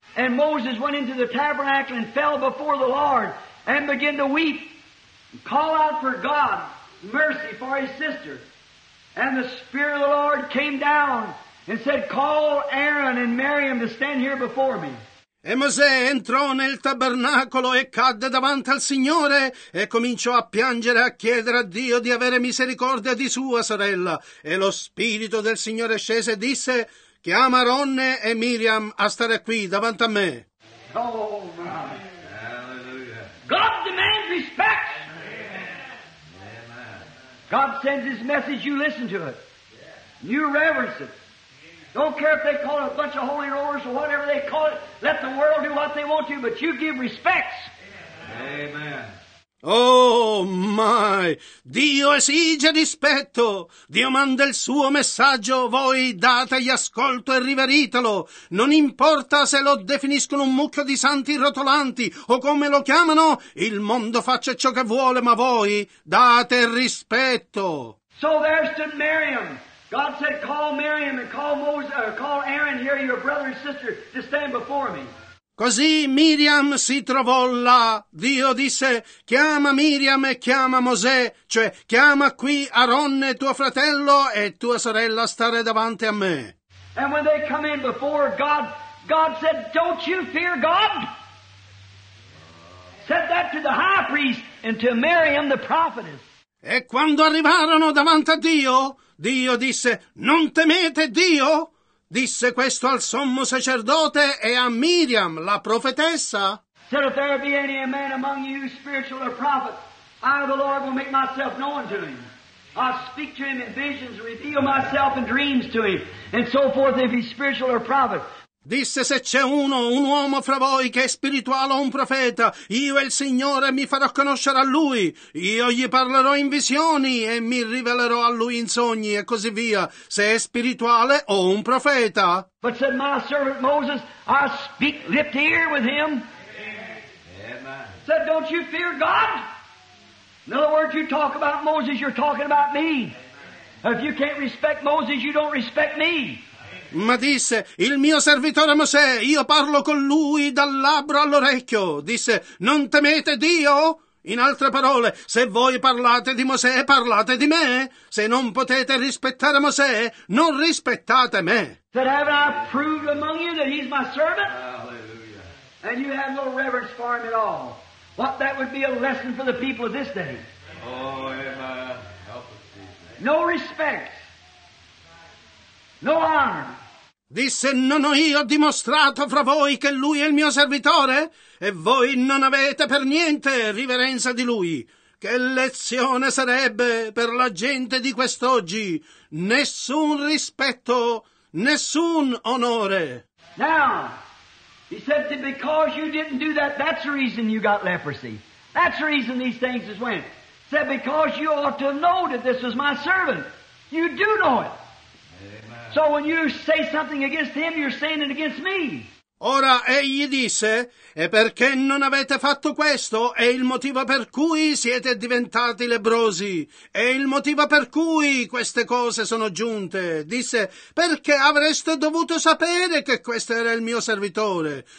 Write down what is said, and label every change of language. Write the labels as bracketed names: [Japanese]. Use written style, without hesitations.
[English] And Moses went into the tabernacle and fell before the Lord and began to weep and call out for God, mercy for his sister. And the Spirit of the Lord came down and said, call Aaron and Miriam to stand here before me. [Italian] E Mosè entrò nel tabernacolo e cadde davanti al Signore e cominciò a piangere e a chiedere a Dio di avere misericordia di sua sorella. E lo Spirito del Signore scese e disse, chiama Aaron e Miriam a stare qui davanti a me. [English] Oh, my. Hallelujah. God demands respect. God sends his message, you listen to it. Yeah. You reverence it. Yeah. Don't care if they call it a bunch of holy rollers or whatever they call it. Let the world do what they want to, but you give respects. Amen. Amen. [Italian] Oh, mai! Dio esige rispetto! Dio manda il suo messaggio, voi dategli ascolto e riveritelo! Non importa se lo definiscono un mucchio di santi rotolanti o come lo chiamano, il mondo faccia ciò che vuole, ma voi date rispetto! [English] So there stood Miriam. God said, call Miriam and call Moses, call Aaron here, your brother and sister, to stand before me. [Italian] Così Miriam si trovò là. Dio disse, chiama Miriam e chiama Mosè, cioè chiama qui Aronne, tuo fratello, e tua sorella stare davanti a me. [English] And when they come in before God, God said, don't you fear God? Said that to the high priest and to Miriam the prophetess. [Italian] E quando arrivarono davanti a Dio, Dio disse, non temete Dio? Disse questo al sommo sacerdote e a Miriam, la profetessa. [English] Said, if there be any man among you, spiritual or prophet, I, the Lord, will make myself known to him. I'll speak to him in visions, reveal myself in dreams to him, and so forth, if he's spiritual or prophet. [Italian] Disse, se c'è uno, un uomo fra voi che è spirituale o un profeta, io e il Signore mi farò conoscere a lui. Io gli parlerò in visioni e mi rivelerò a lui in sogni e così via, se è spirituale o un profeta. [English] But said my servant Moses, I speak lift here with him. Amen. Said, don't you fear God? In other words, you talk about Moses, you're talking about me. If you can't respect Moses, you don't respect me. [Italian] Ma disse, il mio servitore Mosè, io parlo con lui dal labbro all'orecchio. Disse, non temete Dio? In altre parole, se voi parlate di Mosè, parlate di me. Se non potete rispettare Mosè, non rispettate me. [English] That have I proved among you that he's my servant? Hallelujah. And you have no reverence for him at all. What that would be a lesson for the people of this day. Oh, am I helping? No respect. No honor. [Italian] Disse, non ho io dimostrato fra voi che lui è il mio servitore? E voi non avete per niente riverenza di lui. Che lezione sarebbe per la gente di quest'oggi? Nessun rispetto, nessun onore. [English] Now, he said that because you didn't do that, that's the reason you got leprosy. That's the reason these things just went. He said, because you ought to know that this was my servant. You do know it. So when you say something against him, you're saying it against me. [Italian] Ora egli disse, e perché non avete fatto questo è il motivo per cui siete diventati lebbrosi, è il motivo per cui queste cose sono giunte. Disse, perché avreste dovuto sapere che questo era il mio servitore?